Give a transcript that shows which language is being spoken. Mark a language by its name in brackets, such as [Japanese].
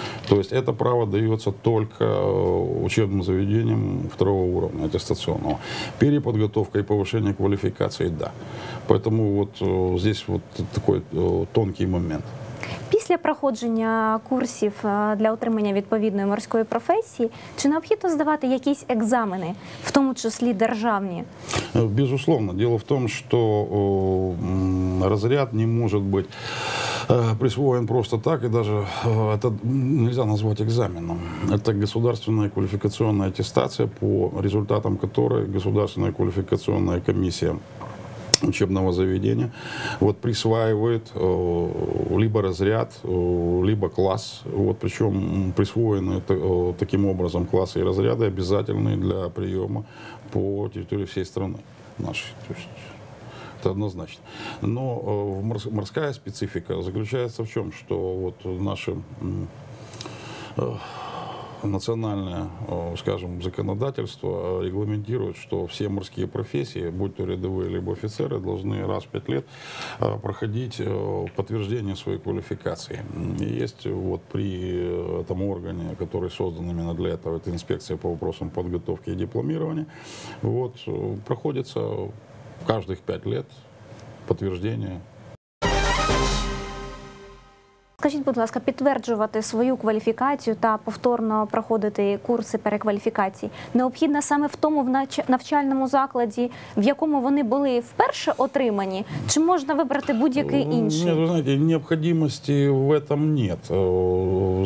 [Russian] То есть это право дается только учебным заведениям второго уровня аттестационного. Переподготовка и повышение квалификации – да. Поэтому вот здесь вот такой тонкий момент. [Ukrainian] Після проходження курсів для отримання відповідної морської професії, чи необхідно здавати якісь екзамени, в тому числі державні? [Russian] Безусловно. [Ukrainian] Діло в тому, що розряд не може бути присвоєн просто так, і навіть це не можна назвати екзаменом. Це державна кваліфікаційна атестація, по результатам якої державна кваліфікаційна комісія [Russian] учебного заведения вот присваивает либо разряд, либо класс. Вот, причем присвоены таким образом классы и разряды, обязательные для приема по территории всей страны нашей. То есть, это однозначно. Но морская специфика заключается в чем? Что вот наши национальное, скажем, законодательство регламентирует, что все морские профессии, будь то рядовые либо офицеры, должны раз в 5 лет проходить подтверждение своей квалификации. И есть вот при этом органе, который создан именно для этого, это инспекция по вопросам подготовки и дипломирования, вот, проходится каждых 5 лет подтверждение. [Ukrainian] Скажіть, будь ласка, підтверджувати свою кваліфікацію та повторно проходити курси перекваліфікації необхідно саме в тому навчальному закладі, в якому вони були вперше отримані, чи можна вибрати будь-який інший? Ні, ви знаєте, необхідності в цьому немає.